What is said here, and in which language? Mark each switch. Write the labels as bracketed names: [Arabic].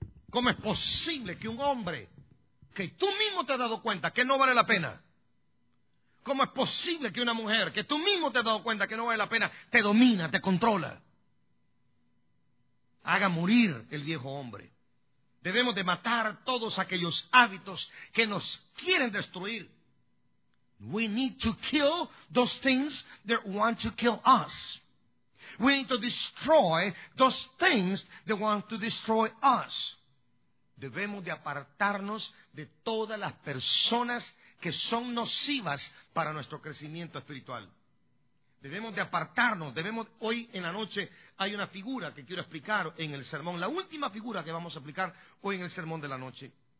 [Spanish] ¿Cómo es posible que un hombre que tú mismo te has dado cuenta que no vale la pena? ¿Cómo es posible que una mujer que tú mismo te has dado cuenta que no vale la pena, te domina, te controla? Haga morir el viejo hombre. Debemos de matar todos aquellos hábitos que nos quieren destruir. [English] We need to kill those things that want to kill us. We need to destroy those things that want to destroy us. [Spanish] Debemos de apartarnos de todas las personas que son nocivas para nuestro crecimiento espiritual. Debemos de apartarnos, hoy en la noche hay una figura que quiero explicar en el sermón, la última figura que vamos a explicar hoy en el sermón de la noche.